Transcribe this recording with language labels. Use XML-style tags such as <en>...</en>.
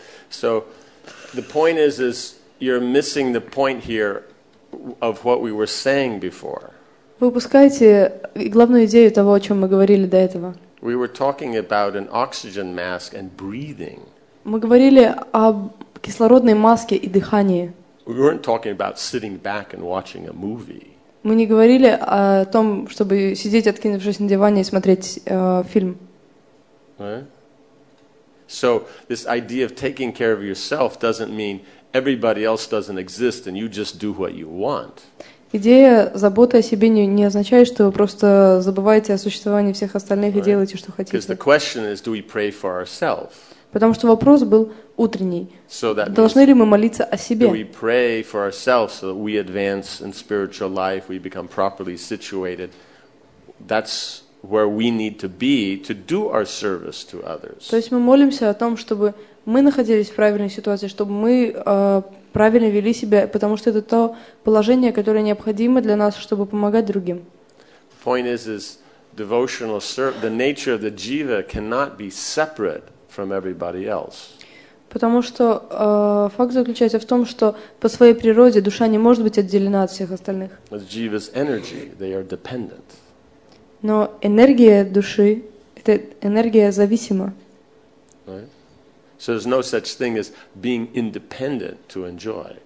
<en>So, the point is you're missing the point here of what we were saying before.</en> <ru>Вы упускаете главную идею того, о чем мы говорили до этого.</ru> <en>We were talking about an oxygen mask and breathing.</en> <ru>Мы говорили о кислородной маске и дыхании.</ru> <en>We weren't talking about sitting back and watching a movie.</en> <ru>Мы не говорили о том, чтобы сидеть, откинувшись на диване, и смотреть фильм.</ru> <en>So this idea of taking care of yourself doesn't mean everybody else doesn't exist and you just do what you want.</en> <ru>Идея заботы о себе не означает, что вы просто забываете о существовании всех остальных</ru> <en>right.</en> <ru>и делаете, что хотите.</ru> <en>Because the question is, do we pray for ourselves?</en> <ru>Потому что вопрос был утренний.</ru> <en>So that</en> <ru>Должны</ru> <en>means,</en> <ru>ли мы молиться о себе?</ru> <en>Do we pray for ourselves so that we advance in spiritual life, we become properly situated? That's where we need to be to do our service to others.</en> <ru>То есть мы молимся о том, чтобы мы находились в правильной ситуации, чтобы мы правильно вели себя, потому что это то положение, которое необходимо для нас, чтобы помогать другим.</ru> <en>Point is devotional service, the nature of the jiva cannot be separate from everybody else.</en> <ru>Потому что факт заключается в том, что по своей природе душа не может быть отделена от всех остальных.</ru> <en>As jiva's energy, they are dependent.</en> <ru>Но энергия души, это энергия зависима.</ru> <en>Right? So there's no such thing as being independent to enjoy.</en>